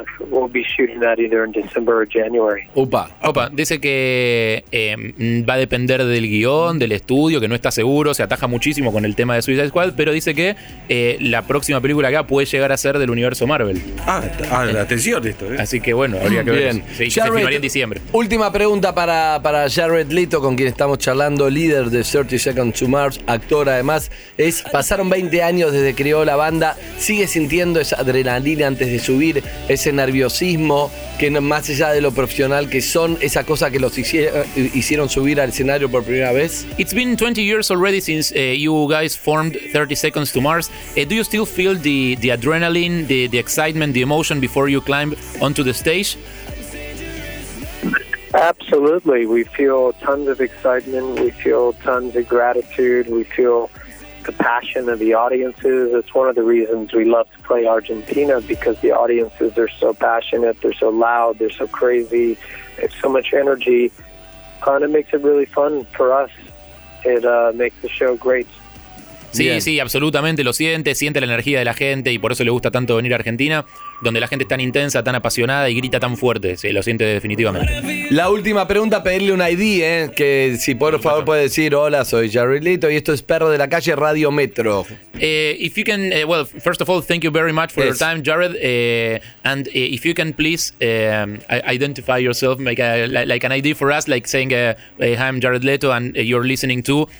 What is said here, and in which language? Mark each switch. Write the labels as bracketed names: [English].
[English] We'll be shooting that either in December or January. [Spanish] Opa, dice que va a depender del guión, del estudio, que no está seguro, se ataja muchísimo con el tema de Suicide Squad, pero dice que la próxima película acá puede llegar a ser del universo Marvel. Atención esto, ¿eh? Así que bueno, habría que ver. Sí, Jared, se filmaría en diciembre. Última pregunta para Jared Leto, con quien estamos charlando, líder de 30 Seconds to Mars, actor además, es, pasaron 20 años desde que creó la banda, sigue sintiendo esa adrenalina antes de subir, ese nerviosismo, que más allá de lo profesional que son, esa cosa que los hicieron subir al escenario por primera vez. [English] It's been 20 years already since you guys formed 30 Seconds to Mars. Do you still feel the adrenaline, the excitement, the emotion before you climb onto the stage? Absolutely. We feel tons of excitement. We feel tons of gratitude. We feel the passion of the audiences. It's one of the reasons we love to play Argentina, because the audiences are so passionate, they're so loud, they're so crazy, they have so much energy, and it makes it really fun for us. It makes the show great. [Spanish] Sí, bien. Sí, absolutamente, lo siente la energía de la gente y por eso le gusta tanto venir a Argentina, donde la gente es tan intensa, tan apasionada y grita tan fuerte, sí, lo siente definitivamente. La última pregunta, pedirle un ID, que si por favor puede decir, hola, soy Jared Leto y esto es Perro de la Calle, Radio Metro. [English] If you can, well, first of all, thank you very much for your time, Jared, and if you can please identify yourself, make like an ID for us, like saying, hi, I'm Jared Leto and you're listening to